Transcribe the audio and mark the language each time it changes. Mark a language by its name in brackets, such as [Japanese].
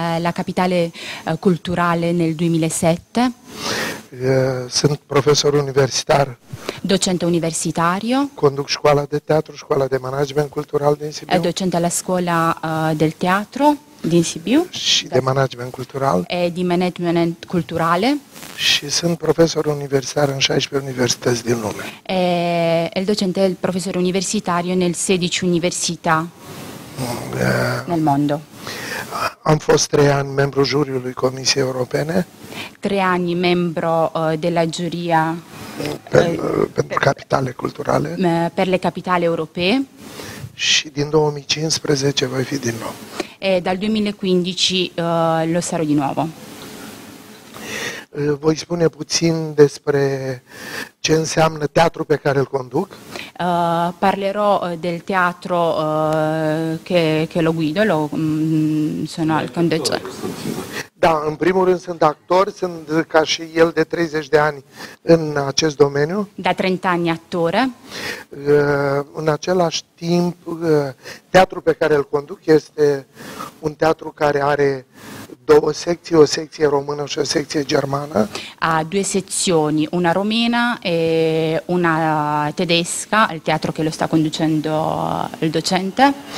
[Italian] La capitale culturale nel 2007. [Romanian] Sunt profesor universitar. [Italian] Docente universitario. [Romanian] Conduc scuola de teatru, scuola de management cultural din Sibiu. [Italian] Docente alla scuola del teatro din Sibiu. [Romanian] Și de management cultural. [Italian] E di management culturale. [Romanian] Și sunt profesor universitar în 16 universități din lume. [Italian] E il docente, il profesor universitario nel 16 università nel mondo. [Romanian] Am fost 3 ani membru juriului Comisiei Europene. [Italian] 3 ani membro della giuria per capitale culturale. Per le capitale europee. [Romanian] Și din 2015 voi fi din nou. [Italian] E dal 2015 lo sarò di nuovo. [Romanian] Voi spune puțin despre ce înseamnă teatrul pe care îl conduc? [Italian] Parlerò del teatro che lo guido, sono al conduttore. [Romanian] Da, în primul rând sunt actor, sunt ca și el de 30 de ani în acest domeniu. [Italian] Da 30 ani attore. [Romanian] În același timp, teatrul pe care îl conduc este un teatru care are 2 secții, o secție română și o secție germană. [Italian] Ha 2 sezioni, una romena e una tedesca, il teatro che lo sta conducendo il docente.